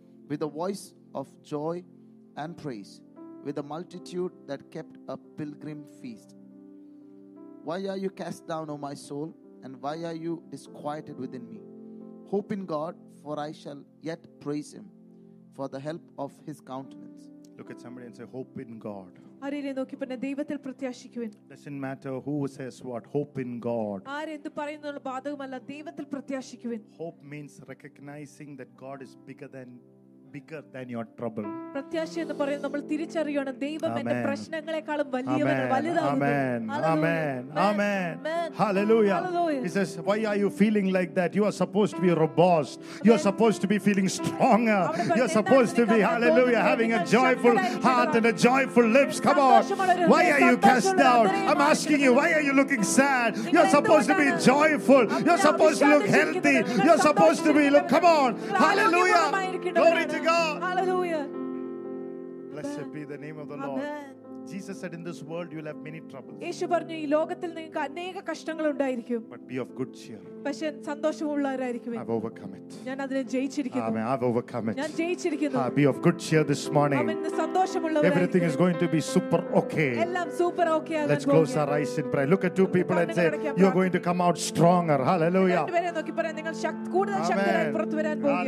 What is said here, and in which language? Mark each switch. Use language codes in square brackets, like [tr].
[en] With a voice of joy and praise, with a multitude that kept a pilgrim feast. Why are you cast down, O my soul, and why are you disquieted within me? Hope in God, for I shall yet praise Him for the help of His countenance. Look at somebody and say, hope in God. [ml] ആരെ നോക്കി പറഞ്ഞാൽ ദൈവത്തിൽ പ്രത്യാശിക്കുവിൻ. [en] Doesn't matter who says what, hope in God. [ml] ആരെ എന്ത് പറയുന്നുള്ള ബാധകമല്ല, ദൈവത്തിൽ പ്രത്യാശിക്കുവിൻ. [en] Hope means recognizing that God is bigger than bigger than your trouble. [ml] പ്രത്യാശി എന്ന് പറയുന്നത് നമ്മൾ തിരിച്ചറിയണം, ദൈവം എന്റെ പ്രശ്നങ്ങളെക്കാളും വലിയവനാണ്, വലുതാണ്. ആമേൻ, ആമേൻ, ആമേൻ. ഹല്ലേലൂയാ. [en] He says, why are you feeling like that? You are supposed to be robust. You are supposed to be feeling stronger. You are supposed to be, hallelujah, having a joyful heart and a joyful lips. Come on. Why are you cast down? I'm asking you, why are you looking sad? You are supposed to be joyful. You are supposed to look healthy. You are supposed to be, look, come on. Hallelujah. Glory to God. Hallelujah. Blessed be the name of the Lord. Jesus said, in this world you will have many troubles. [ml] യേശു പറഞ്ഞു, ഈ ലോകത്തിൽ നിങ്ങൾക്ക് അനേക കഷ്ടങ്ങൾ ഉണ്ടായിരിക്കും. [en] But be of good cheer. [ml] പക്ഷേ സന്തോഷമുള്ളവരായിരിക്കുവേ. [en] I've overcome it. [ml] ഞാൻ അതിനെ ജയിച്ചിരിക്കുന്നു. [en] Amen. I've overcome it. [ml] ഞാൻ ജയിച്ചിരിക്കുന്നു. [en] Be of good cheer this morning. [ml] Amen. സന്തോഷമുള്ളവരായിരിക്കുവേ. [en] Everything is going to be super okay. [ml] എല്ലാം സൂപ്പർ ഓക്കേ ആണ്. [en] Let's close our eyes in prayer. Look at two people and say, you're going to come out stronger. Hallelujah. [ml] രണ്ടുപേരെ നോക്കി പറയാം, നിങ്ങൾ കൂടുതൽ ശക്തരായി പുറത്തു വരാൻ പോവുകയാണ്.